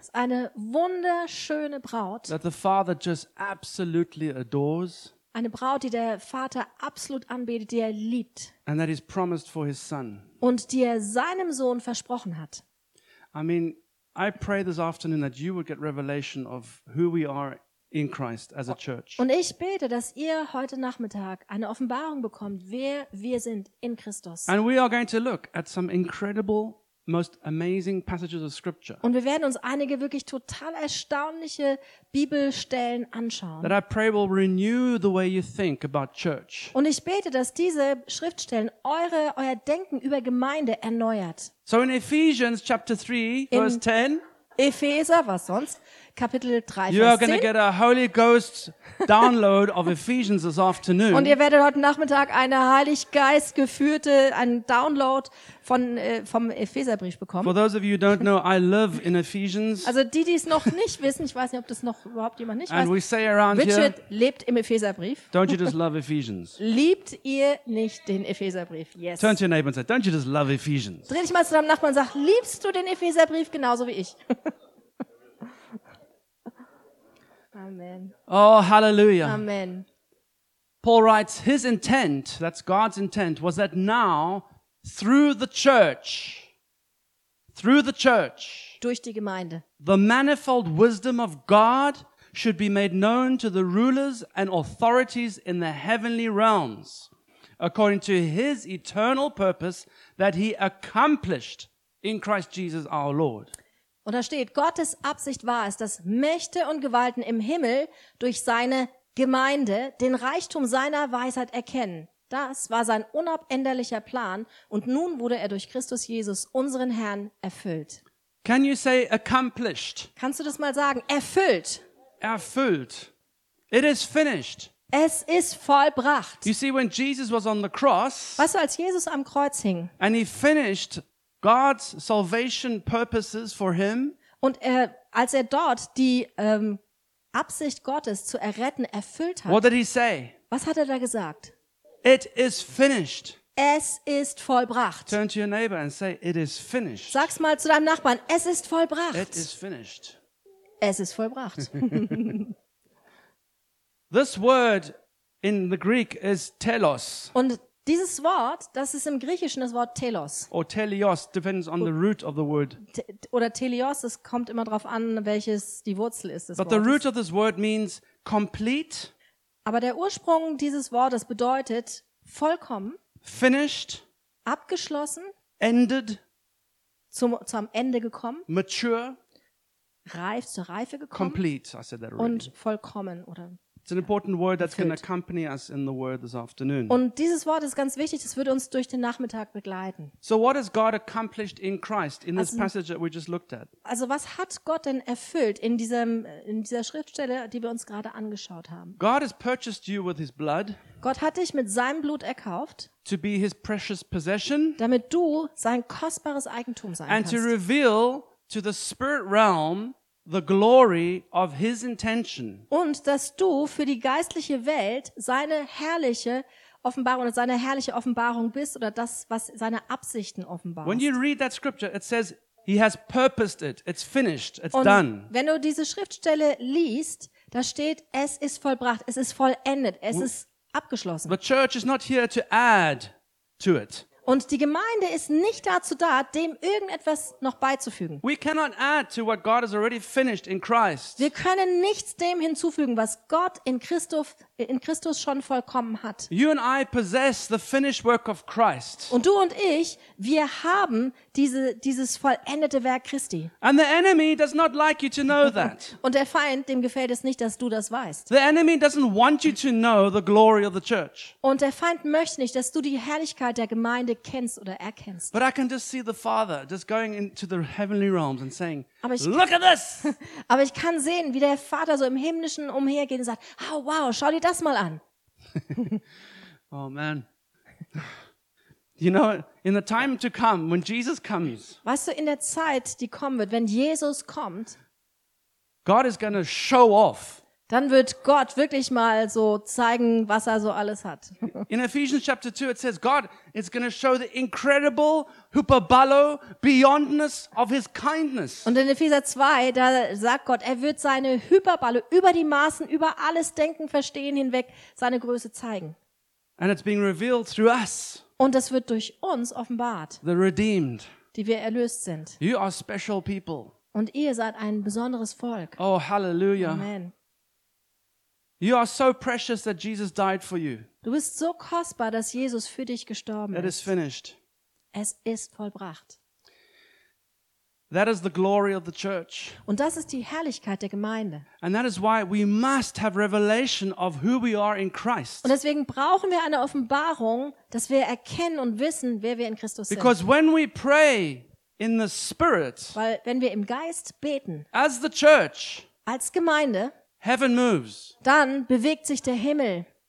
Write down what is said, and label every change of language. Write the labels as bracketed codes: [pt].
[de] Eine wunderschöne Braut. [en] That the Father just absolutely adores. [de] Eine Braut, die der Vater absolut anbetet, die er liebt. [en] And that he's promised for his son. [de] Und die er seinem Sohn versprochen hat. [en] I mean, I pray this afternoon that you would get revelation of who we are in Christ as a church. [de] Und ich bete, dass ihr heute Nachmittag eine Offenbarung bekommt, wer wir sind in Christus. [en] And we are going to look at some incredible most amazing passages of scripture. [de] Und wir werden uns einige wirklich total erstaunliche Bibelstellen anschauen. [en] That I pray will renew the way you think about church. [de] Und ich bete, dass diese Schriftstellen euer Denken über Gemeinde erneuert. [en] So in Ephesians chapter 3 verse 10. [de] Epheser, was sonst? Kapitel 3, Vers 10. [en] You are going to get a Holy Ghost download of Ephesians this afternoon. [de] Und ihr werdet heute Nachmittag eine Heiliggeist geführte einen Download vom Epheserbrief bekommen. [en] For those of you who don't know, I live in Ephesians. [de] Also die es noch nicht wissen, ich weiß nicht, ob das noch überhaupt jemand nicht [en] and [de] weiß. [en] We say around Richard here, [de] lebt im Epheserbrief. [en] Don't you just love Ephesians? [de] Liebt ihr nicht den Epheserbrief? [en] Yes. Turn to your neighbor and say, don't you just love Ephesians? [de] Dreh dich mal zu deinem Nachbarn und sag, liebst du den Epheserbrief genauso wie ich? Amen. Oh, hallelujah. Amen. [en] Paul writes, his intent, that's God's intent, was that now, through the church, [de] durch die Gemeinde, [en] the manifold wisdom of God should be made known to the rulers and authorities in the heavenly realms, according to his eternal purpose that he accomplished in Christ Jesus our Lord. [de] Und da steht, Gottes Absicht war es, dass Mächte und Gewalten im Himmel durch seine Gemeinde den Reichtum seiner Weisheit erkennen. Das war sein unabänderlicher Plan und nun wurde er durch Christus Jesus, unseren Herrn, erfüllt. [en] Can you say accomplished? [de] Kannst du das mal sagen? Erfüllt. Erfüllt. [en] It is finished. [de] Es ist vollbracht. [en] You see, when Jesus was on the cross, [de] weißt du, als Jesus am Kreuz hing, [en] and he finished God's salvation purposes for him, [de] und er, als er dort die Absicht Gottes zu erretten erfüllt hat, [en] what did he say? [de] Was hat er da gesagt? [en] It is finished. [de] Es ist vollbracht. [en] Turn to your neighbor and say, it is finished. [de] Sag's mal zu deinem Nachbarn, es ist vollbracht. [en] It is finished. [de] Es ist vollbracht. [en] This word in the Greek is telos. [de] Und dieses Wort, das ist im Griechischen das Wort telos. [en] Or telios, depends on the root of the word. [de] Oder telios, es kommt immer drauf an, welches die Wurzel ist. [en] But the root of this word means complete. [de] Aber der Ursprung dieses Wortes bedeutet vollkommen, [en] finished, [de] abgeschlossen, [en] ended, [de] zum Ende gekommen, [en] mature, [de] reif, zur Reife gekommen, [en] complete, I said that already. [de] Und vollkommen, oder? [en] It's an important word that's going to accompany us in the word this afternoon. [de] Und dieses Wort ist ganz wichtig, das wird uns durch den Nachmittag begleiten. [en] So what has God accomplished in Christ in this passage that we just looked at? [de] Also was hat Gott denn erfüllt in dieser Schriftstelle, die wir uns gerade angeschaut haben? [en] God has purchased you with his blood. [de] Gott hat dich mit seinem Blut erkauft. [en] To be his precious possession. [de] Damit du sein kostbares Eigentum sein [en] and [de] kannst. [en] And to reveal to the spirit realm the glory of his intention. [de] Und dass du für die geistliche Welt seine herrliche Offenbarung oder seine herrliche Offenbarung bist oder das, was seine Absichten offenbarst. [en] When you read that scripture, it says he has purposed it. It's finished. It's done. [de] Und wenn du diese Schriftstelle liest, da steht, es ist vollbracht, es ist vollendet, es ist abgeschlossen. [en] The church is not here to add to it. [de] Und die Gemeinde ist nicht dazu da, dem irgendetwas noch beizufügen. [en] We cannot add to what God has already finished in Christ. [de] Wir können nichts dem hinzufügen, was Gott in Christus schon vollkommen hat. [en] You and I possess the finished work of Christ. [de] Und du und ich, wir haben dieses vollendete Werk Christi. [en] And the enemy does not like you to know that. [de] Und der Feind, dem gefällt es nicht, dass du das weißt. [en] The enemy doesn't want you to know the glory of the church. [de] Und der Feind möchte nicht, dass du die Herrlichkeit der Gemeinde kennst oder erkennst. [en] But I can just see the Father just going into the heavenly realms and saying, look at this. [de] Aber ich kann sehen, wie der Vater so im himmlischen umhergeht und sagt, oh, wow, schau dir das mal an. [en] Oh man. You know, in the time to come, when Jesus comes. [de] Weißt du, in der Zeit, die kommen wird, wenn Jesus kommt, [en] God is going to show off. [de] Dann wird Gott wirklich mal so zeigen, was er so alles hat. [en] In Ephesians chapter 2 it says God is going to show the incredible hyperbolo beyondness of his kindness. [de] Und in Epheser 2 da sagt Gott, er wird seine Hyperbolo über die Maßen, über alles Denken, Verstehen hinweg seine Größe zeigen. [en] And it's being revealed through us. [de] Und das wird durch uns offenbart. [en] The redeemed. [de] Die wir erlöst sind. [en] You are special people. [de] Und ihr seid ein besonderes Volk. Oh hallelujah. Amen. [en] You are so precious that Jesus died for you. [de] Du bist so kostbar, dass Jesus für dich gestorben ist. [en] It is finished. [de] Es ist vollbracht. [en] That is the glory of the church. [de] Und das ist die Herrlichkeit der Gemeinde. [en] And that is why we must have revelation of who we are in Christ. [de] Und deswegen brauchen wir eine Offenbarung, dass wir erkennen und wissen, wer wir in Christus sind. [en] Because when we pray in the Spirit, [de] weil wenn wir im Geist beten, [en] as the church, [de] als Gemeinde, [en] heaven moves. [de] Dann bewegt sich der Himmel.